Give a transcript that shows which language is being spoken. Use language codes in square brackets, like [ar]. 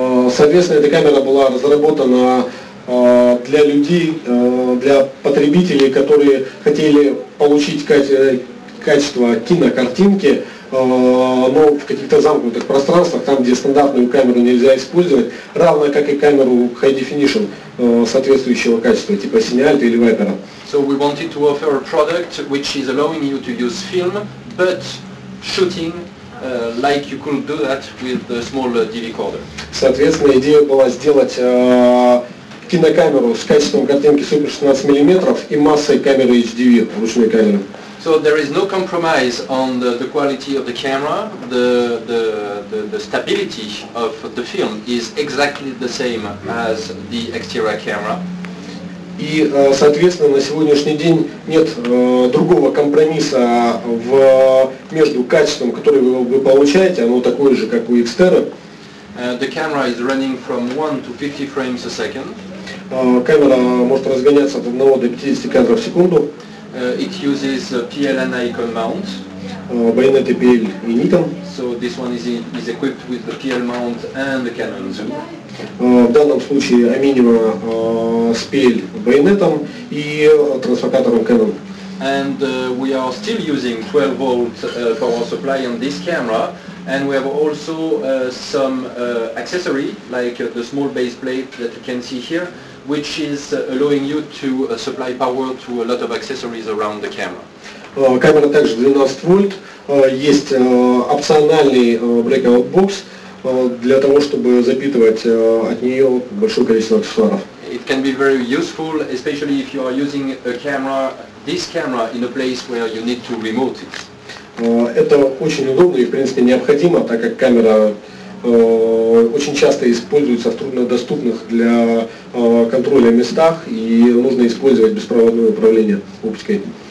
[ru] Соответственно, эта камера была разработана для людей, для потребителей, которые хотели получить качество кинокартинки, но в каких-то замкнутых пространствах, там, где стандартную камеру нельзя использовать, равно как и камеру High Definition соответствующего качества, типа Cineart или Viper. [en] So we wanted to offer a product which is allowing you to use film, but shooting like you could do that with a small DV recorder. [ru] Соответственно, идея была сделать кинокамеру с качеством картинки Super 16 мм и массой камеры HDV, ручной камеры. [en] So there is no compromise on the quality of the camera. The stability of the film is exactly the same as the exterior camera. [ru] И, соответственно, на сегодняшний день нет другого компромисса между качеством, которое вы получаете, оно такое же, как у Xterra. [en] The camera is running from 1 to 50 frames a second. [ru] Камера может разгоняться от 1 до 50 кадров в секунду. [en] It uses a PLN Icon mount. [ru] Bayonet PL и Nikon. [en] So this one is equipped with the PL mount and the Canon zoom. [ru] В данном случае A Minima с PL байонетом и трансфокатором Canon. [en] And we are still using 12-volt power supply on this camera, and we have also some accessory like the small base plate that you can see here, which is allowing you to supply power to a lot of accessories around the camera. [ru] Камера также 12 вольт, есть опциональный breakout box для того, чтобы запитывать от нее большое количество аксессуаров. [en] It can be very useful, especially if you are using a camera, this camera, in a place where you need to remote it. [ru] Это очень удобно и, в принципе, необходимо, так как камера очень часто используется в труднодоступных для контроля местах, и нужно использовать беспроводное управление оптикой.